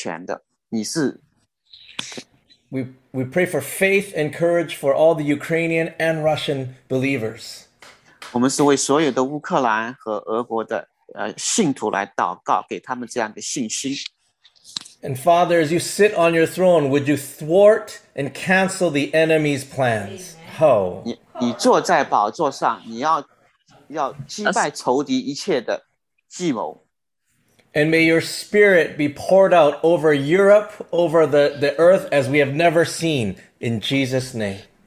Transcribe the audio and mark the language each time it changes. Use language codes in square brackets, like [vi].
[zh] 你来充满这个世界上每一位信靠你的，有这样一个信心，知道你是掌权的，你是。 [en] We pray for faith and courage for all the Ukrainian and Russian believers. [zh] 我们是为所有的乌克兰和俄国的信徒来祷告，给他们这样的信心。 [en] And Father, as you sit on your throne, would you thwart and cancel the enemy's plans? Ho! [zh] 你坐在宝座上，你要击败仇敌一切的计谋。 [en] And may your spirit be poured out over Europe, over the earth, as we have never seen, in Jesus' name.